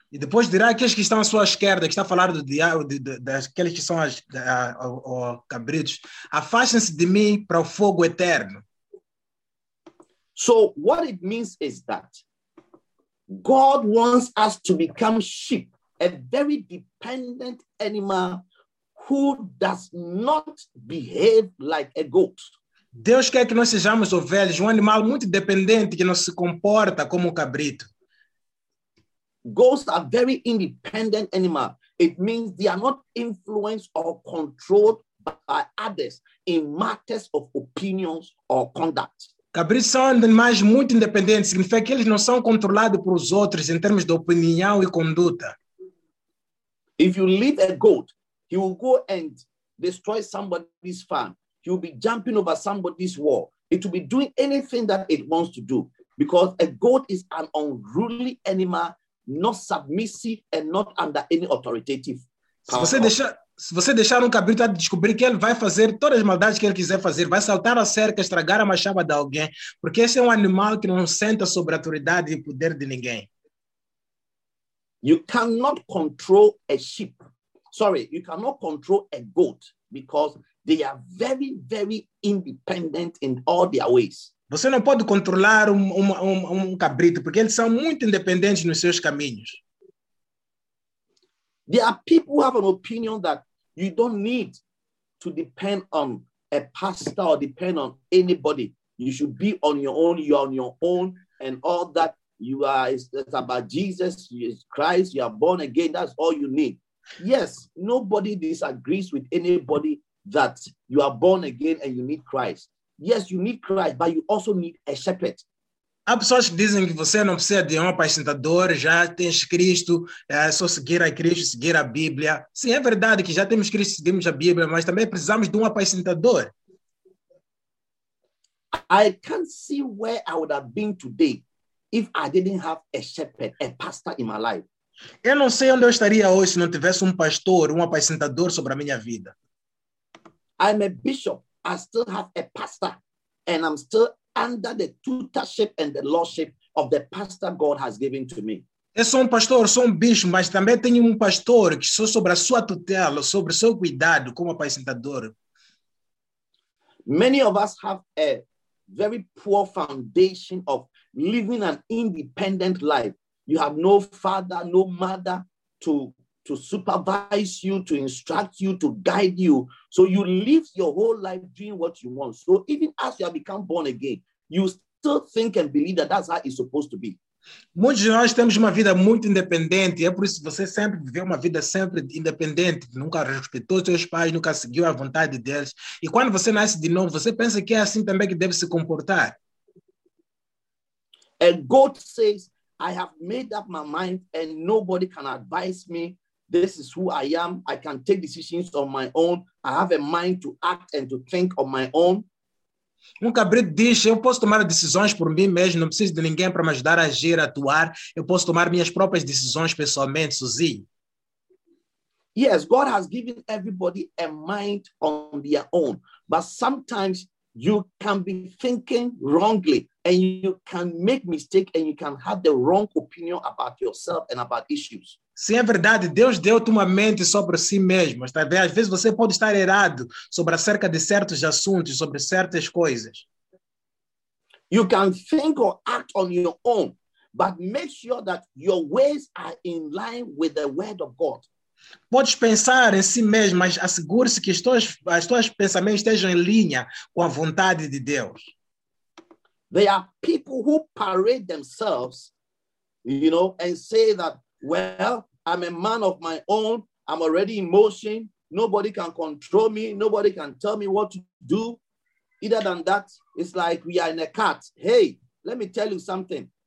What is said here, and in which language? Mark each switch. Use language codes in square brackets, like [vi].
[pt] E depois dirá aqueles que estão à sua esquerda, que está a falar do diabo, daqueles que são os cabritos, afastem-se de mim para o fogo eterno. [en] So what it means is that God wants us to become sheep, a very dependent animal who does not behave like a goat. [pt] Deus quer que nós sejamos ovelhas, um animal muito dependente que não se comporta como um cabrito. [en] Goats are very independent animal. It means they are not influenced or controlled by others in matters of opinions or conduct. [pt] Cabritos são animais muito independentes, significa que eles não são controlados por os outros em termos de opinião e conduta. [en] If you leave a goat, he will go and destroy somebody's farm. He will be jumping over somebody's wall. It will be doing anything that it wants to do because a goat is an unruly animal, not submissive and not under any authoritative power. [pt] Se você deixar um cabrito, vai descobrir que ele vai fazer todas as maldades que ele quiser fazer. Vai saltar a cerca, estragar a machada de alguém. Porque esse é um animal que não senta sobre a autoridade e poder de ninguém. [en] You cannot control a sheep. Sorry, you cannot control a goat. Because they are very, very independent in all their ways. [pt] Você não pode controlar um cabrito, porque eles são muito independentes nos seus caminhos. [en] There are people who have an opinion that you don't need to depend on a pastor or depend on anybody. You should be on your own, you're on your own, and all that you are is about Jesus, Jesus Christ, you are born again, that's all you need. Yes, nobody disagrees with anybody that you are born again and you need Christ. Yes, you need Christ, but you also need a shepherd. [pt] Há pessoas que dizem que você não precisa de um apacentador, já tens Cristo, é só seguir a Cristo, seguir a Bíblia. Sim, é verdade que já temos Cristo, seguimos a Bíblia, mas também precisamos de um apacentador. [en] I can't see where I would have been today if I didn't have a shepherd, a pastor in my life. [pt] Eu não sei onde eu estaria hoje se não tivesse um pastor, um apacentador sobre a minha vida. [en] I'm a bishop. I still have a pastor. And I'm still under the tutorship and the lordship of the pastor God has given to me. [pt] Eu sou um pastor, sou um bispo, mas também tenho um pastor que sou sobre a sua tutela, sobre o seu cuidado como apacentador. [en] Many of us have a very poor foundation of living an independent life. You have no father, no mother to supervise you, to instruct you, to guide you. So you live your whole life doing what you want. So even as you have become born again, you still think and believe that that's how it's supposed to be. [pt] Muitos de nós temos uma vida muito independente, e é por isso que você sempre viveu uma vida sempre independente, nunca respeitou seus pais, nunca seguiu a vontade deles. E quando você nasce de novo, você pensa que é assim também que deve se comportar. [en] A goat says, I have made up my mind and nobody can advise me. This is who I am. I can take decisions on my own. I have a mind to act and to think on my own. [pt] Um cabrito diz, eu posso tomar decisões por mim mesmo, não preciso de ninguém para me ajudar a agir, a atuar. Eu posso tomar minhas próprias decisões pessoalmente, sozinho. [en] Yes, God has given everybody a mind on their own. But sometimes you can be thinking wrongly and you can make mistakes and you can have the wrong opinion about yourself and about issues. [pt] Sim, é verdade. Deus deu-te uma mente sobre si mesmo. Às vezes você pode estar errado sobre acerca de certos assuntos, sobre certas coisas. [en] You can think or act on your own, but make sure that your ways are in line with the word of God. [pt] Podes pensar em si mesmo, mas assegure-se que os teus pensamentos estejam em linha com a vontade de Deus. [en] There are people who parade themselves, you know, and say that, well, I'm a man of my own. I'm already in motion. Nobody can control me. Nobody can tell me what to do. Either than that, it's like we are in a cart. Hey, let me tell you something.